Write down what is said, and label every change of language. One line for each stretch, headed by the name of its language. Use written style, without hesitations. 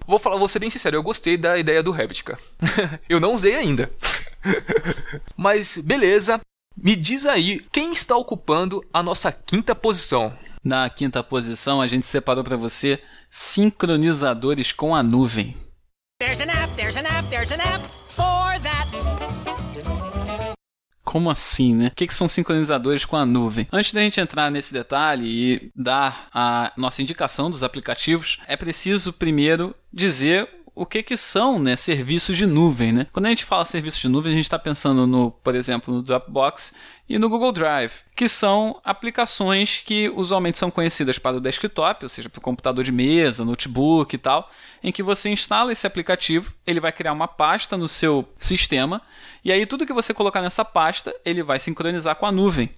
Portuguese: Vou falar, vou ser bem sincero, eu gostei da ideia do Habitica. Eu não usei ainda. Mas, beleza. Me diz aí, quem está ocupando a nossa quinta posição? Na quinta posição, a gente separou para você sincronizadores com a nuvem.
English: There's an app, there's an app, there's an app for that.
Portuguese: Como assim, né? O que são sincronizadores com a nuvem? Antes da gente entrar nesse detalhe e dar a nossa indicação dos aplicativos, é preciso primeiro dizer o que são, né, serviços de nuvem, né? Quando a gente fala serviços de nuvem, a gente está pensando, no, por exemplo, no Dropbox e no Google Drive, que são aplicações que usualmente são conhecidas para o desktop, ou seja, para o computador de mesa, notebook e tal, em que você instala esse aplicativo, ele vai criar uma pasta no seu sistema, e aí tudo que você colocar nessa pasta, ele vai sincronizar com a nuvem.